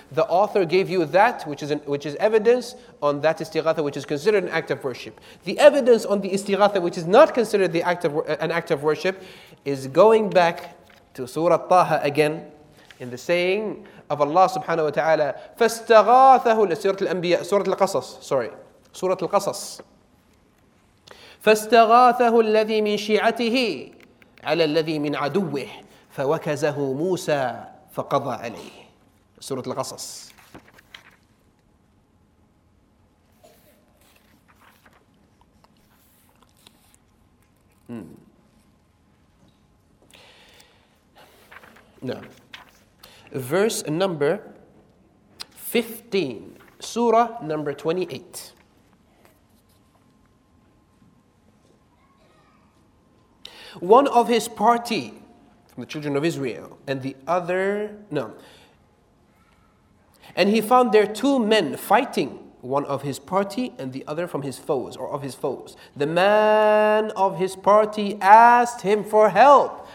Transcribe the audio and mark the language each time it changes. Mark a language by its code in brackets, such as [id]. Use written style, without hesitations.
[en] The author gave you that which is evidence on that istighatha which is considered an act of worship. The evidence on the istighatha which is not considered an act of worship is going back to Surah Taha again in the saying of Allah subhanahu wa ta'ala, [ar] فَاسْتَغَاثَهُ لَسُورَةِ الْأَنْبِيَاءِ [en] Surah Al-Qasas, sorry. [ar] سورة القصص فاستغاثه الذي من شيعته على الذي من عدوه فوكزه موسى فقضى عليه سورة القصص [en] نعم verse number 15 سورة number 28 One of his party, from the children of Israel, and the other, no. And he found there two men fighting, one of his party and the other from his foes, or of his foes. The man of his party asked him for help.